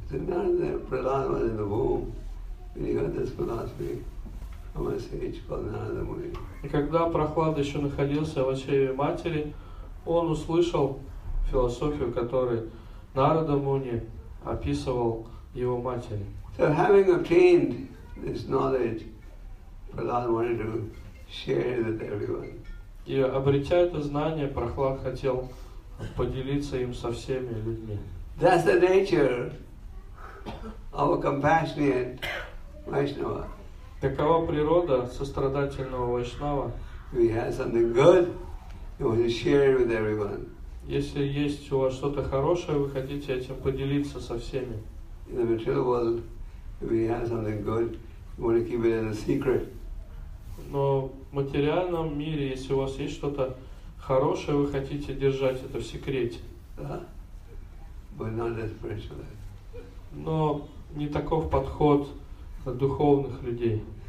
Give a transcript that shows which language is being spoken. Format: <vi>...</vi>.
<ru>Семинарное прилаживание на Богу, и когда спонасли, а мы сидим под народом. И когда Прохлад еще находился в очереди матери, он услышал философию, которую Нарада Муни описывал его матери.</ru> <en>So having obtained this knowledge, Prahlad wanted to share it with everyone.</en> <ru>И обретя это знание, Прохлад хотел поделиться им со всеми людьми.</ru> <en>That's the nature of a compassionate Vaishnava.</en> <ru>Такова природа сострадательного Вайшнава.</ru> <en>We have something good, you want to share it with everyone.</en> <ru>Если есть у вас что-то хорошее, вы хотите этим поделиться со всеми.</ru> <en>In the material world, if you have something good, you want to keep it as a secret.</en> <ru>Но в материальном мире, если у вас есть что-то хорошее, вы хотите держать это в секрете.</ru> <en>But not as spiritual.</en> <ru>Но не таков подход для духовных людей.</ru>